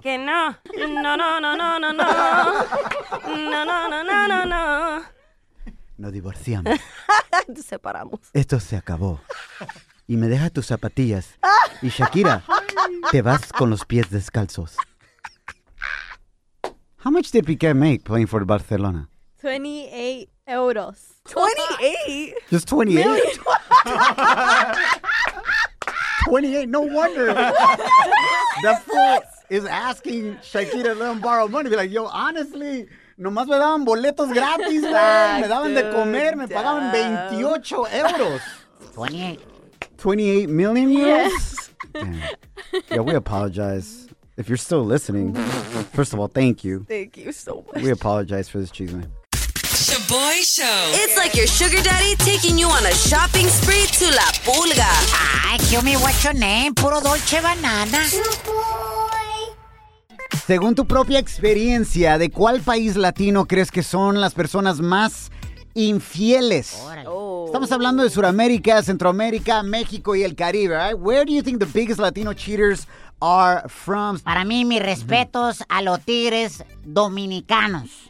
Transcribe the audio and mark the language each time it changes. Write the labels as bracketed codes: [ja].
[es] Que no. No. Nos divorciamos. Nos separamos. Esto se acabó. Y me dejas tus zapatillas. Y Shakira, te vas con los pies descalzos. [en] How much did Piqué make playing for Barcelona? 28 euros. 28? Just 28? 28, no wonder. What the fool is asking Shakira to let him borrow money. Be like, yo, honestly, [es] nomás me daban boletos gratis, [en] man. [es] Me daban de comer, me pagaban 28 euros. [en] 28 million euros? Yes. Yeah, we apologize. If you're still listening, first of all, thank you. Thank you so much. We apologize for this cheese, man. Shaboy Show. It's like your sugar daddy taking you on a shopping spree to La Pulga. Ay, kill me, what's your name? Puro dolce banana. Shaboy. [es] Según tu propia experiencia, ¿de cuál país latino crees que son las personas más infieles? Estamos hablando de Sudamérica, Centroamérica, México y el Caribe, [en] right? Where do you think the biggest Latino cheaters are from? [es] Para mí, mis respetos a los tigres dominicanos.